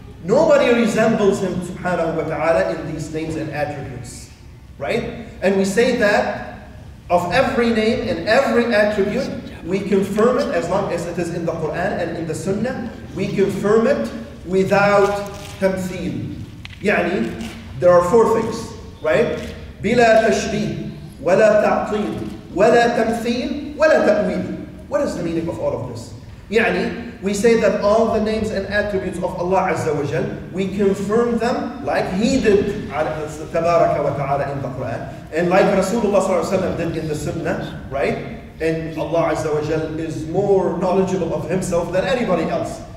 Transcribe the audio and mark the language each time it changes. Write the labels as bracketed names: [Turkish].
[English] Nobody resembles Him subhanahu wa ta'ala in these names and attributes. Right? And we say that of every name and every attribute, we confirm it as long as it is in the Quran and in the Sunnah, we confirm it without tamthil. يعني, there are four things, right? [Arabic] بلا تشبيه ولا تعطيل ولا تمثيل ولا تأويل. [English] What is the meaning of all of this? يعني, we say that all the names and attributes of Allah Azza wa Jal, we confirm them like He did tabaraka wa ta'ala in the Quran, and like Rasulullah Sallallahu Alaihi Wasallam did in the Sunnah, right? And Allah Azza wa Jal is more knowledgeable of Himself than anybody else.